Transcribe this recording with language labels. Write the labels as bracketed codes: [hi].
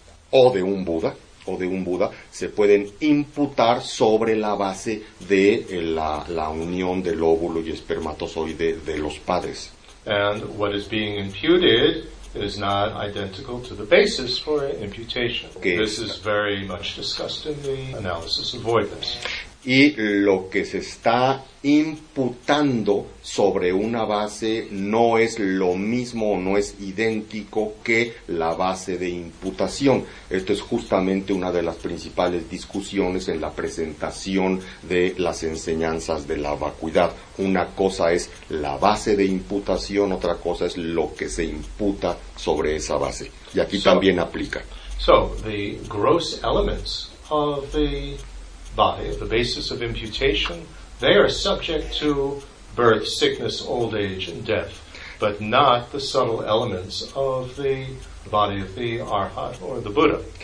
[es] o de un Buda, se pueden imputar sobre la base de la unión del óvulo y espermatozoide de los padres. [en] And what is being imputed is not identical to the basis for imputation. Okay. This is very much discussed in the analysis of voidness. [es] Y lo que se está imputando sobre una base no es lo mismo o no es idéntico que la base de imputación. Esto es justamente una de las principales discusiones en la presentación de las enseñanzas de la vacuidad. Una cosa es la base de imputación, otra cosa es lo que se imputa sobre esa base. Y aquí también aplica. [en] So, the gross elements of the body, the basis of imputation, they are subject to birth, sickness, old age, and death, but not the subtle elements of the body of the arhat or the Buddha.